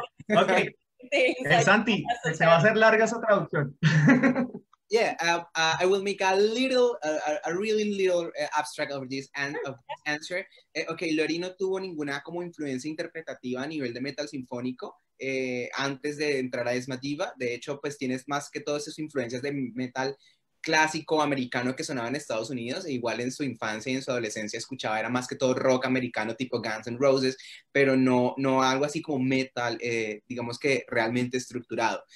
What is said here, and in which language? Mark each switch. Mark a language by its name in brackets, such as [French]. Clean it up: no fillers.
[Spanish] Okay, Santi, se va a hacer larga esa traducción. [English] Yeah, I will make a little, a really little abstract of this and of answer. [Spanish] Okay, Lori no tuvo ninguna como influencia interpretativa a nivel de metal sinfónico antes de entrar a Esmativa. De hecho, pues tienes más que todas esas influencias de metal clásico americano que sonaba en Estados Unidos. E igual en su infancia y en su adolescencia escuchaba, era más que todo rock americano tipo Guns N' Roses, pero no algo así como metal, digamos que realmente estructurado.